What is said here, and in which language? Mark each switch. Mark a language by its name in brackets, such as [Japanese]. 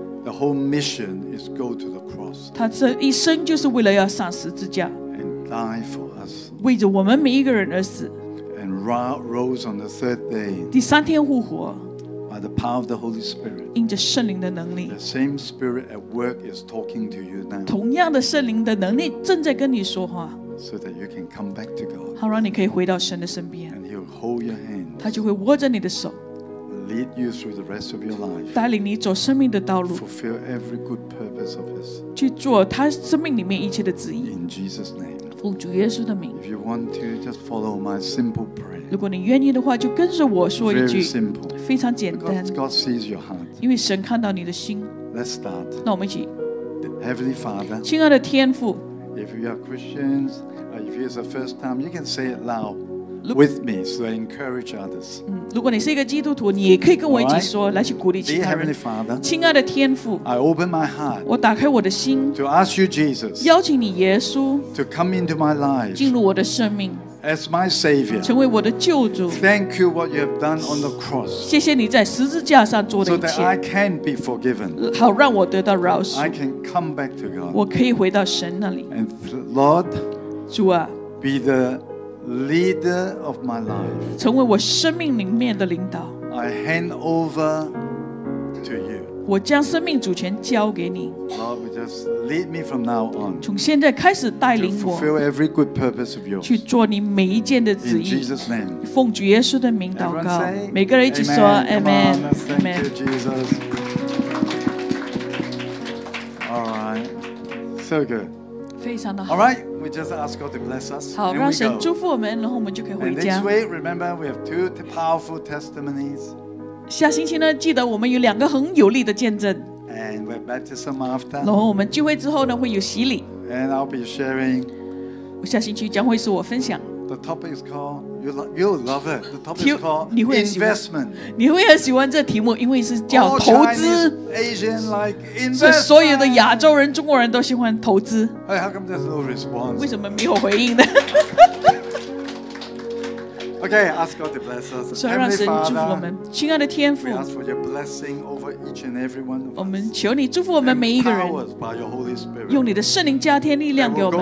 [English] The whole mission is go to the cross. [Chinese] 他这一生就是为了要上十字架 [English] ，and die for us, [Chinese] 为着我们每一个人而死。 [English] And rose on the third day. [Chinese] 第三天复活。 [English] By the power of the Holy Spirit. [Chinese] 因着圣灵的能力。 [English] The same Spirit at work is talking to you now. [Chinese] 同样的圣灵的能力正在跟你说话。 [English] So that you can come back to God. [Chinese] 好让你可以回到神的身边。 [English] And He'll hold your hand. [Chinese] 他就会握着你的手。 [English] Lead you through the rest of your life. [Chinese] 带领你走生命的道路。 [English] Fulfill every good purpose of His. [Chinese] 去做他生命里面一切的旨意。 [English] In Jesus' name. [Chinese] 奉主耶稣的名。 [English] If you want to, just follow my simple prayer. [Chinese] 如果你愿意的话，就跟着我说一句。 [English] Very simple. [Chinese] 非常简单。 [English] Because God sees your heart. [Chinese] 因为神看到你的心。 [English] Let's start. [Chinese] 那我们一起。 [English] Heavenly Father. [Chinese] 亲爱的天父。 [English] If you are Christians, if it's the first time, you can say it loud with me, so I encourage others. [Chinese] 如果你是一个基督徒，你也可以跟我一起说，来去鼓励其他人。 [English] Dear Heavenly Father. [Chinese] 亲爱的天父。 [English] I open my heart. [Chinese] 我打开我的心。 [English] To ask you, Jesus. [Chinese] 邀请你，耶稣。 [English] To come into my life. [Chinese] 进入我的生命。 [English] As my Savior. [Chinese] 成为我的救主。 [English] Thank you what you have done on the cross. [Chinese] 谢谢你在十字架上做的一切。 [English] So that I can be forgiven. [Chinese] 好让我得到饶恕。 [English] I can come back to God. [Chinese] 我可以回到神那里。 [English] And Lord. [Chinese] 主啊。 [English] Be the leader of my life. [Chinese] 成为我生命里面的领导。 [English] I hand over to you. [Chinese] 我将生命主权交给你。 [English] Lord, just lead me from now on. [Chinese] 从现在开始带领我。 [English] To fulfill every good purpose of yours. [Chinese] 去做你每一件的旨意。 [English] In Jesus' name. [Chinese] 奉主耶稣的名祷告。每个人一起说 [English] ，Amen. Amen. Thank you, Jesus. All right. So good. [Chinese] 非常的好。 [English] All right. We just ask God to bless us. [Chinese] 好，让神祝福我们，然后我们就可以回家。 [English] And next week, remember, we have two powerful testimonies. [Chinese] 下星期呢，记得我们有两个很有力的见证。 [English] And we're baptism after. [Chinese] 然后我们聚会之后呢，会有洗礼。 [English] And I'll be sharing. [Chinese] 下星期将会是我分享。 [English] The topic is called you'll love it. The topic is called investment. [Chinese] 你会很喜欢这题目，因为是叫投资。 [English] Asian like investment. [Chinese] 所以所有的亚洲人、中国人都喜欢投资。 [English] Hey, how come there's no response? [Chinese] 为什么没有回应呢？ [English] Okay, ask God to bless us. [Chinese] 所以让神祝福我们，亲爱的天父。 [English] We ask for your blessing over each and every one of us. [Chinese] 我们求你祝福我们每一个人。 [English] Empowered by your Holy Spirit. [Chinese] 用你的圣灵加添力量给我们。